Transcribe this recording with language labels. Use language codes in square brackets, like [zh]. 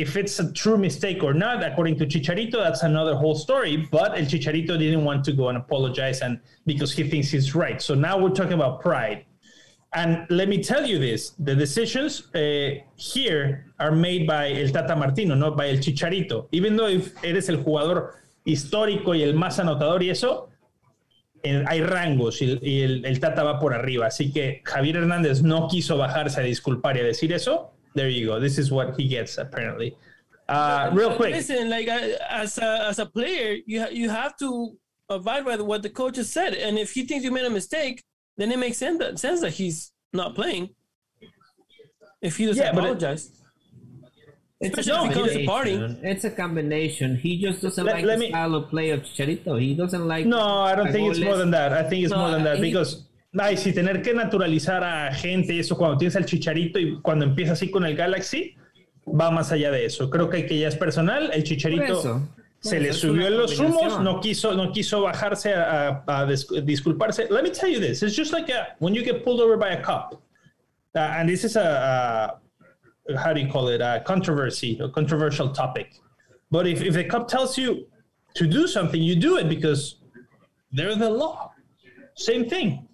[en] If it's a true mistake or not, according to Chicharito, that's another whole story. But El Chicharito didn't want to go and apologize and because he thinks he's right. So now we're talking about pride. And let me tell you this. The decisions here are made by El Tata Martino, not by El Chicharito. Even though if [es] eres el jugador histórico y el más anotador y eso, hay rangos y el Tata va por arriba, así que Javier Hernández no quiso bajarse a disculpar y a decir eso. [en] There you go. This is what he gets apparently. Real quick. Listen, like as a player, you have to abide by what the coach has said. And if he thinks you made a mistake, then it makes sense that he's not playing. If he doesn't apologize. It's a combination. He just doesn't like the style of play of Chicharito. He doesn't like... No, I don't think it's more than that. I think it's more than that. Because, [es] si tener que naturalizar a gente y eso cuando tienes al Chicharito y cuando empieza así con el Galaxy, va más allá de eso. Creo que ya es personal. El Chicharito se le subió en los humos. No quiso bajarse a disculparse. [en] Let me tell you this. It's just like when you get pulled over by a cop. And this is a how do you call it, a controversial topic. But if the cop tells you to do something, you do it because they're the law. Same thing.